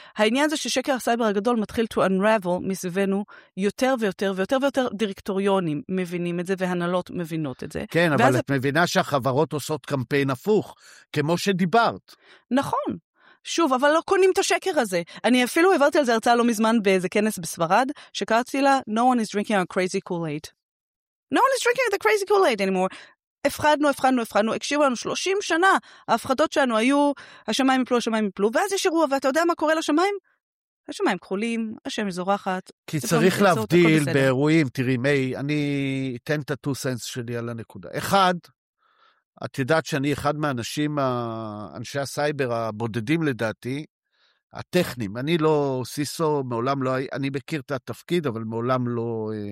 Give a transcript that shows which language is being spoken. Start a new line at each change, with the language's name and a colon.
Hebrew: העניין זה ששקר הסייבר הגדול מתחיל
English: to unravel
Hebrew: מסביבנו יותר ויותר ויותר ויותר דירקטוריונים מבינים את זה והנהלות מבינות את זה. כן, אבל את מבינה שהחברות עושות קמפיין הפוך, כמו שדיברת. נכון. שוב, אבל לא קונים את השקר הזה. אני אפילו עברתי על זה הרצאה לא מזמן באיזה כנס בספרד, שקראתי לה,
English: No one is drinking a crazy Kool-Aid. No one is drinking the crazy Kool-Aid anymore.
Hebrew: הפחדנו, הפחדנו, הפחדנו, הקשיבו לנו 30 שנה, ההפחדות שלנו היו, השמיים יפלו, השמיים יפלו, ואז יש אירוע, ואתה יודע מה קורה לשמיים? השמיים כחולים, השם זורחת. כי צריך להבדיל באירועים, תראי, מי, אני אתן את ה-2 cents שלי על הנקודה. אחד, את יודעת שאני אחד מהאנשים, אנשי הסייבר הבודדים לדעתי, הטכניים, אני לא סיסו, מעולם לא, אני מכיר את התפקיד, אבל מעולם לא...